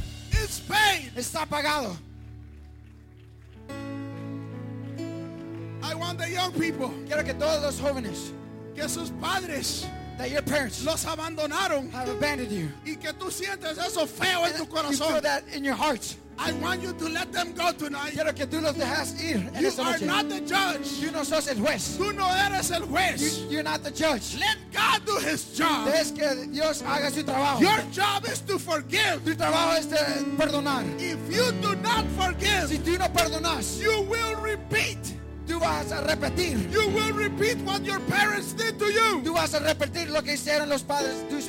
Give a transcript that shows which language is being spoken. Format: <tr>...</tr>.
<en>It's paid.</en> <es>Está pagado.</es> <en>I want the young people.</en> <es>Quiero que todos los jóvenes. Que sus padres.</es> <en>That your parents</en> <es>los abandonaron,</es> <en>have abandoned you.</en> <es>Y que tú sientes eso feo en tu corazón.</es> <en>You feel that in your heart. I want you to let them go tonight.</en> <es>Quiero que tú los dejas ir.</es> <en>You are not the judge.</en> <es>Tú no sos el juez. Tú no eres el juez.</es> <en>You're not the judge. Let God do his job.</en> <es>Dejes que Dios haga su trabajo.</es> <en>Your job is to forgive.</en> <es>Tu trabajo es de perdonar.</es> <en>If you do not forgive,</en> <es>si tú no perdonas,</es> <en>you will repeat.</en> <es>Tú vas a repetir.</es> <en>You will repeat what your parents did to you.</en> <es>Tú vas a repetir lo que hicieron los padres de tus</es>